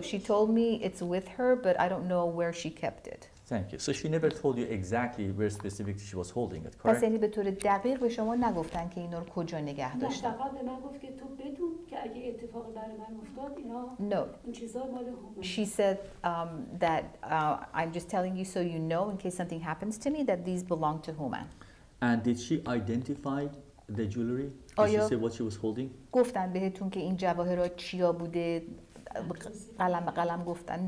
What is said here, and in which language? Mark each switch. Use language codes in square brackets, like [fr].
[en] She told me it's with her, but I don't know where she kept it. Thank you. So she never told you exactly where specifically she was holding it, correct? [fa] پس یعنی به طور دقیق به شما نگفتن که اینو کجا نگه داشت. نه، فقط به من گفت که تو بدون که اگه اتفاق برای من افتاد اینا این چیزا مال هم. [en] She said that I'm just telling you so you know in case something happens to me that these belong to Human. And did she identify the jewelry? Did she say what she was holding? [fa] گفتن بهتون که این جواهرات چیا بوده؟ قلم به قلم گفتن.